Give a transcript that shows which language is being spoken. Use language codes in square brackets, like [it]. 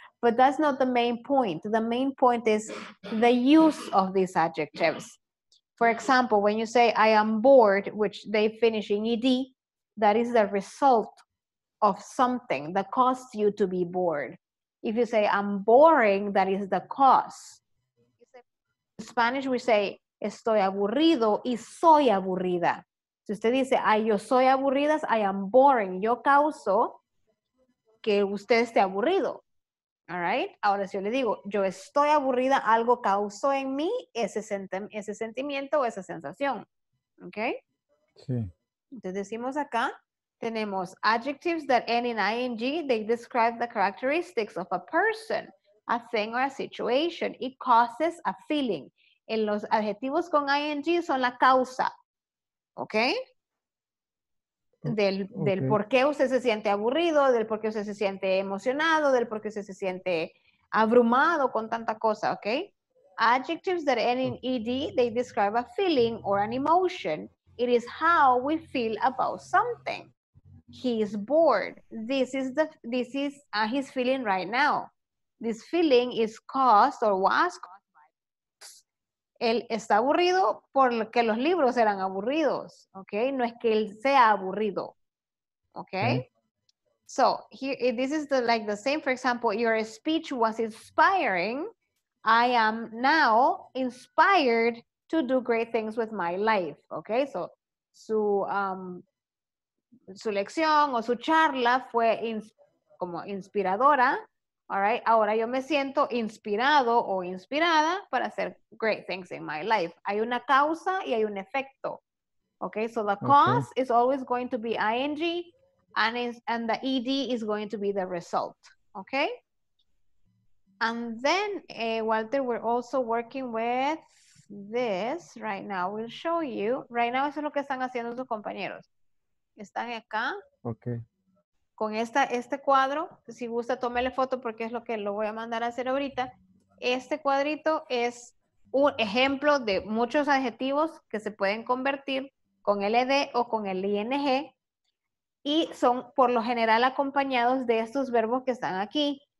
[en] But that's not the main point. The main point is the use of these adjectives. For example, when you say, I am bored, which they finish in ed, that is the result of something that caused you to be bored. If you say, I'm boring, that is the cause. In Spanish, we say, [es] estoy aburrido y soy aburrida. Si usted dice, ay, yo soy aburrida, [en] I am boring. [es] Yo causo que usted esté aburrido. [en] All right. [es] Ahora si yo le digo, yo estoy aburrida, algo causó en mí ese sentimiento o esa sensación. [en] Okay. [es] Sí. Entonces decimos acá, tenemos [en] adjectives that end in ing, they describe the characteristics of a person, a thing or a situation. It causes a feeling. [es] En los adjetivos con ing son la causa. Okay. Del okay. Por qué usted se siente aburrido, del por qué usted se siente emocionado, del por qué usted se siente abrumado con tanta cosa, ¿ok? [en] Adjectives that end in ed, they describe a feeling or an emotion. It is how we feel about something. He is bored. His feeling right now. This feeling is caused or was caused by books. [es] Él está aburrido porque los libros eran aburridos, ¿ok? No es que él sea aburrido, ¿ok? [en] So, here, this is the, like the same, for example, your speech was inspiring. I am now inspired to do great things with my life, ¿ok? [es] So, su lección o su charla fue como inspiradora. [en] All right, [es] ahora yo me siento inspirado o inspirada para hacer [en] great things in my life. [es] Hay una causa y hay un efecto. [en] Okay, so the cause is always going to be ing and the ed is going to be the result. Okay? And then, Walter, we're also working with this right now. We'll show you. Right now, [es] eso es lo que están haciendo sus compañeros. Están acá. [en] Okay. [es] Con este cuadro, si gusta, tómele foto porque es lo que lo voy a mandar a hacer ahorita. Este cuadrito es un ejemplo de muchos adjetivos que se pueden convertir con el ed o con el ing y son por lo general acompañados de estos verbos que están aquí.